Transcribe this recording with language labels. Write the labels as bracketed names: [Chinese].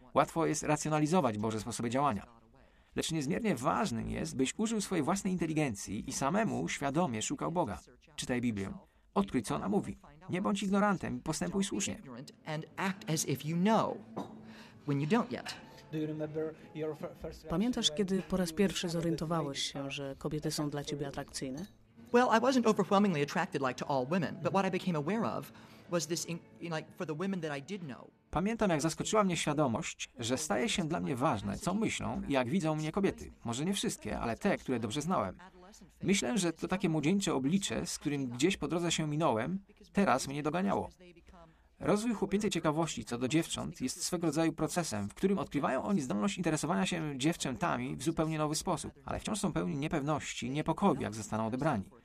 [Polish] Łatwo jest racjonalizować Boże sposoby działania. Lecz niezmiernie ważnym jest, byś użył swojej własnej inteligencji i samemu świadomie szukał Boga. Czytaj Biblię. Odkryj, co ona mówi. Nie bądź ignorantem i postępuj słusznie. Pamiętasz, kiedy po raz pierwszy zorientowałeś się, że kobiety są dla Ciebie atrakcyjne? [English] Well, I wasn't overwhelmingly attracted like to all women, but what I became aware of was this, for the women that I did know. [Polish] Pamiętam, jak zaskoczyła mnie świadomość, że staje się dla mnie ważne, co myślą i jak widzą mnie kobiety. Może nie wszystkie, ale te, które dobrze znałem. Myślę, że to takie młodzieńcze oblicze, z którym gdzieś po drodze się minąłem, teraz mnie doganiało. Rozwój chłopięcej ciekawości co do dziewcząt jest swego rodzaju procesem, w którym odkrywają oni zdolność interesowania się dziewczętami w zupełnie nowy sposób, ale wciąż są pełni niepewności, niepokoju, jak zostaną odebrani.